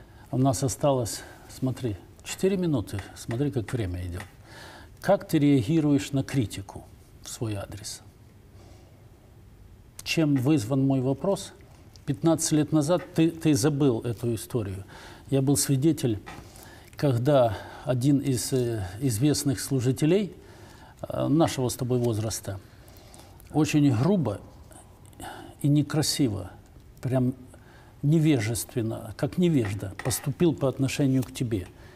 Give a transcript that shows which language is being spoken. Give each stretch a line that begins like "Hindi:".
Russian: У нас осталось, смотри, 4 минути. Смотри, як время йде.
Ukrainian: Як ти реагуєш на критику в свій адрес?
Russian: Чим визван мой вопрос?
Ukrainian: 15 років назад ти забив цю історію.
Russian: Я був свідетель, коли один из известных служителей нашего с тобой возраста очень грубо и некрасиво, прям невежественно, как невежда, поступил по отношению к тебе.